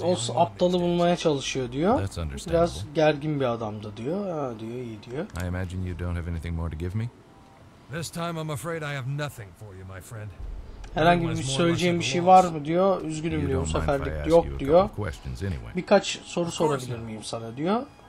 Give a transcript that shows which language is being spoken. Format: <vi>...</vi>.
<tr>O aptalı bulmaya çalışıyor diyor. Biraz gergin bir adamdı diyor. Ha diyor, iyi diyor.</tr> <en>I imagine you don't have anything more to give me. This time I'm afraid I have nothing for you, my friend.</en> <tr>Herhangi bir söyleyeceğim bir şey var mı diyor. Üzgünüm diyor, bu seferlik yok diyor. Birkaç soru sorabilir miyim sana diyor.</tr>